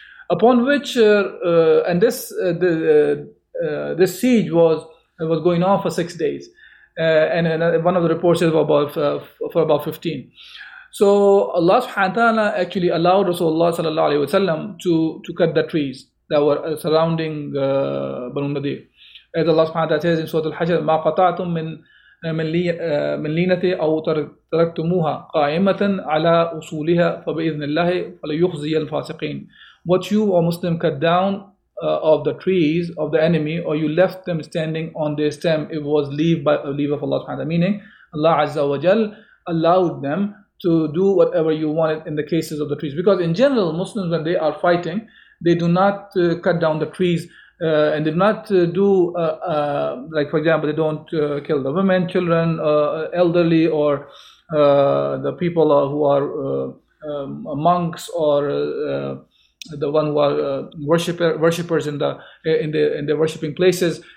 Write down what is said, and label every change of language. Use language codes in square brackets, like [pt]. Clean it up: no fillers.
[en] Upon which, this siege was going on for 6 days, and one of the reports is about 15. So Allah subhanahu wa ta'ala actually allowed Rasulullah sallallahu alaihi wasallam to cut the trees that were surrounding Banu Nadir. As Allah subhanahu wa ta'ala says in Surah Al-Hajj, [ar] ما قطعتم من لينة أو تركتموها قائمة على أصولها فبإذن الله فليخزي الفاسقين. [en] What you, O Muslim, cut down of the trees of the enemy, or you left them standing on their stem, it was leave of Allah subhanahu wa ta'ala, meaning Allah azza wa jal allowed them to do whatever you wanted in the cases of the trees. Because in general, Muslims, when they are fighting, they do not cut down the trees, and they do not like, for example, they don't kill the women, children, elderly, or the people who are monks, or the one who are worshippers in the worshipping places.